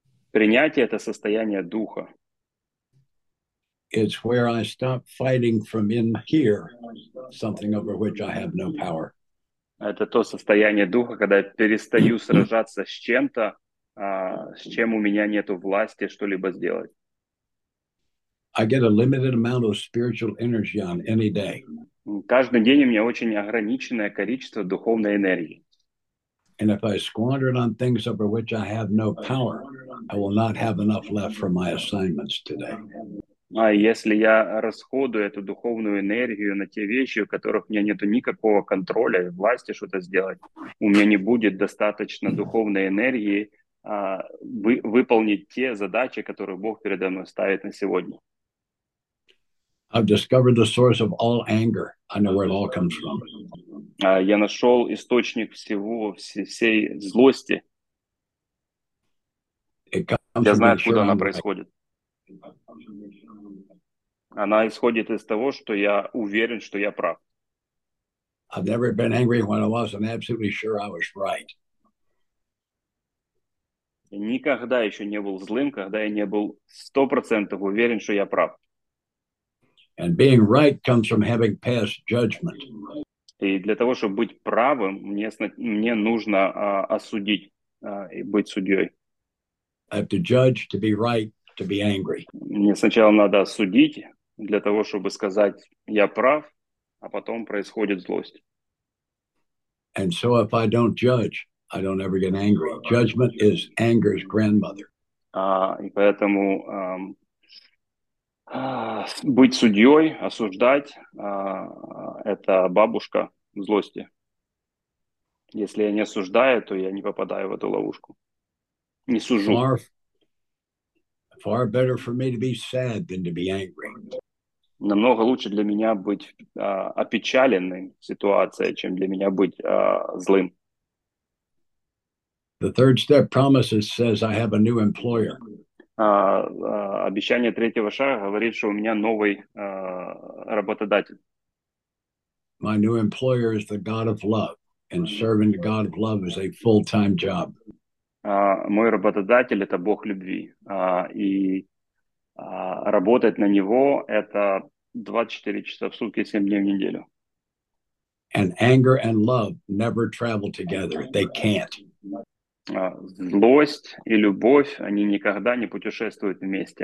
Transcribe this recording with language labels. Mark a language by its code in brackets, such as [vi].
[ru] Принятие — это состояние духа. [en] It's where I stop fighting from in here, something over which I have no power. [ru] Это то состояние духа, когда я перестаю сражаться с чем-то, с чем у меня нету власти что-либо сделать. [en] I get a limited amount of spiritual energy on any day. [ru] Каждый день у меня очень ограниченное количество духовной энергии. [en] And if I squander it on things over which I have no power, I will not have enough left for my assignments today. [ru] А если я расходую эту духовную энергию на те вещи, у которых у меня нет никакого контроля и власти что-то сделать, у меня не будет достаточно духовной энергии выполнить те задачи, которые Бог передо мной ставит на сегодня. [en] I've discovered the source of all anger. I know where it all comes from. [ru] Я нашел источник всего, всей злости. Я знаю, откуда она происходит. Она исходит из того, что я уверен, что я прав. [en] I've never been angry when I wasn't absolutely sure I was right. [ru] Никогда еще не был злым, когда я не был 100% уверен, что я прав. [en] And being right comes from having passed judgment. [ru] И для того, чтобы быть правым, мне нужно осудить и быть судьей. [en] I have to judge to be right to be angry. [ru] Мне сначала надо осудить для того, чтобы сказать, я прав, а потом происходит злость. [en] And so if I don't judge, I don't ever get angry. Judgment is anger's grandmother. [ru] И поэтому быть судьей, осуждать, это бабушка злости. Если я не осуждаю, то я не попадаю в эту ловушку. Не сужу. [en] Far better for me to be sad than to be angry. [ru] Намного лучше для меня быть опечаленным ситуацией, чем для меня быть злым. [en] The third step promises says I have a new employer. [ru] Обещание третьего шага говорит, что у меня новый работодатель. [en] My new employer is the God of love, and serving the God of love is a full-time job. [ru] Мой работодатель — это Бог любви, и работать на него — это 24 часа в сутки, 7 дней в неделю. [en] And anger and love never travel together. They can't. [ru] Злость и любовь, они никогда не путешествуют вместе.